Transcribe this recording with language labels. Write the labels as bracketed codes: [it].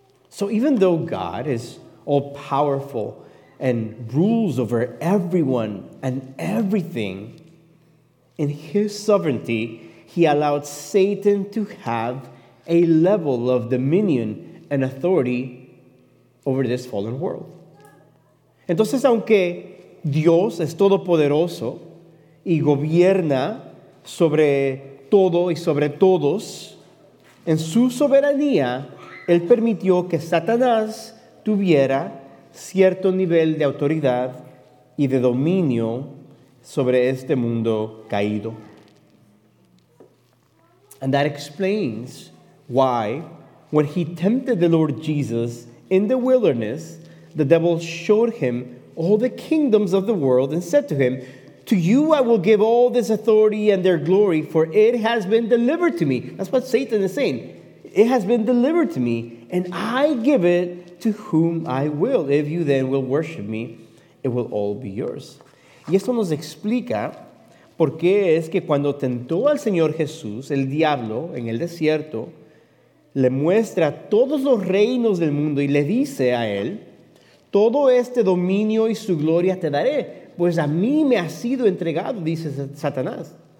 [en] So even though God is all-powerful and rules over everyone and everything, in his sovereignty, he allowed Satan to have a level of dominion and authority over this fallen world. [es] Entonces, aunque Dios es todopoderoso y gobierna sobre todo y sobre todos, en su soberanía, él permitió que Satanás tuviera cierto nivel de autoridad y de dominio sobre este mundo caído. [en] And that explains why, when he tempted the Lord Jesus in the wilderness, the devil showed him all the kingdoms of the world and said to him, "To you I will give all this authority and their glory, for it has been delivered to me." That's what Satan is saying. "It has been delivered to me, and I give it to whom I will. If you then will worship me, it will all be yours." [es] Y esto nos explica por qué es que cuando tentó al Señor Jesús, el diablo, en el desierto, le muestra todos los reinos del mundo y le dice a él, "Todo este dominio y su gloria te daré, pues a mí me ha sido entregado", dice Satanás.